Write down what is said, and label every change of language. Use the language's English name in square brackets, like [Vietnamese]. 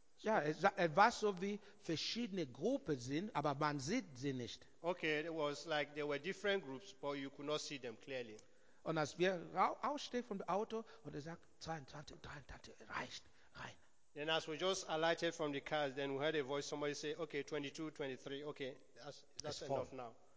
[German] Ja, es war so wie verschiedene Gruppen sind, aber man sieht sie nicht. [English] Okay, it was like there were different groups, but you could not see them clearly. [German] Und als wir ausstehen vom Auto, und er sagt, 23, reicht, rein. [English] Then as we just alighted from the cars, then we heard a voice, somebody say, okay, 22, 23, okay, that's enough now.